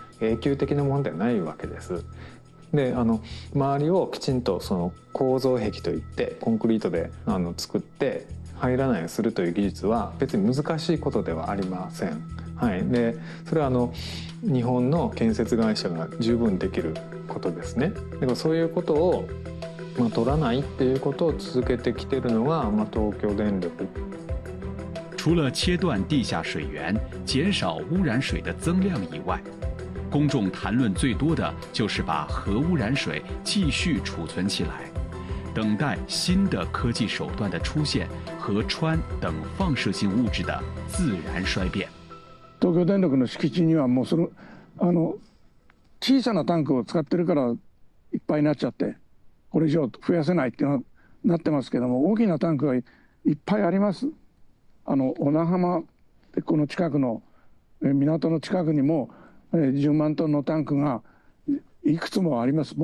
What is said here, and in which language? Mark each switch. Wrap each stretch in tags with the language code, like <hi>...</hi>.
<ja>永久的なものではないわけです。で周りをきちんとその構造壁といってコンクリートで作って入らないようにするという技術は別に難しいことではありません。はい、でそれは日本の建設会社が十分できることですね。でもそういうことを、取らないっていうことを続けてきてるのが、東京電力。</ja> <zh>除了切断地下水源、减少污染水的增量以外，公众谈论最多的就是把核污染水继续储存起来，等待新的科技手段的出现和氚等放射性物质的自然衰变。</zh> <ja>東京電力の敷地にはもうその小さなタンクを使ってるからいっぱいになっちゃって、これ以上増やせないっていうのになってますけども、大きなタンクがいっぱいあります。小名浜でこの近くの港の近くにも10万トンのタンクがいくつもあります。</ja>